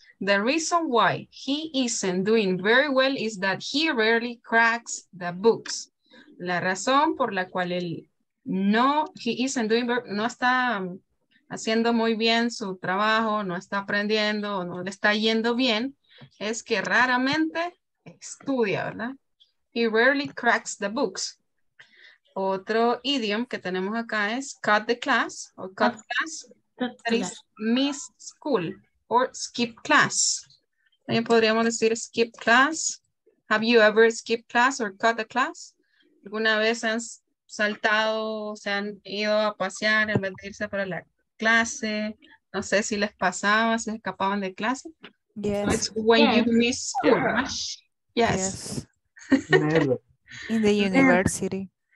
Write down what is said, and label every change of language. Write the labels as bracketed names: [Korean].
[English] The reason why he isn't doing very well is that he rarely cracks the books. [Spanish] La razón por la cual él no, [English] he isn't doing, [Spanish] no está haciendo muy bien su trabajo, no está aprendiendo, no le está yendo bien, es que raramente estudia, ¿verdad? [English] He rarely cracks the books. [Spanish] Otro idiom que tenemos acá es [English] cut the class, or cut class, that is miss school, or skip class. [Spanish] También podríamos decir skip class. [English] Have you ever skipped class or cut the class? [Spanish] ¿Alguna vez han saltado, se han ido a pasear en vez de irse para la clase? No sé si les pasaba, se escapaban de clase. [English] Yes. So it's when you miss school, right? Yes. Yes. Never. In the university.